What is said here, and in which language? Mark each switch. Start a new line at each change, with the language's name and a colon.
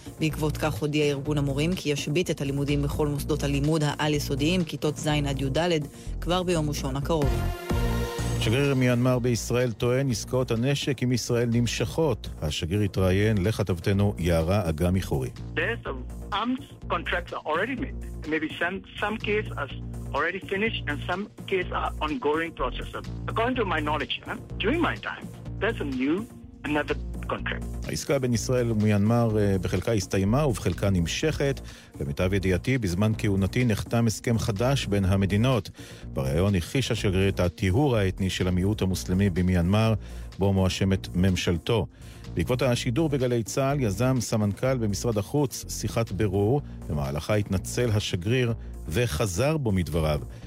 Hebrew: בעקבות כך הודיע ארגון המורים כי ישבית את הלימודים בכל מוסדות הלימוד העל יסודיים, כיתות ז' עד י' כבר ביום ראשון הקרוב. שגריר מיינמר בישראל טוען עסקאות הנשק עם ישראל נמשכות. השגריר התראיין לכתבתנו יערה אגם יחורי.
English: There's some arms contracts are already made. Maybe some cases are already finished and some cases are ongoing processes. According to my knowledge, during my time, there's a new another contract.
Hebrew: העסקה בין ישראל ומיינמר בחלקה הסתיימה ובחלקה נמשכת. למיטב ידיעתי, בזמן כהונתי נחתם הסכם חדש בין המדינות. בריאיון הכחיש השגריר את הטיהור האתני של המיעוט המוסלמי במיינמר, בו מואשמת ממשלתו. בעקבות השידור בגלי צה"ל, יזם סמנכ"ל במשרד החוץ שיחת בירור, במהלכה התנצל השגריר וחזר בו מדבריו.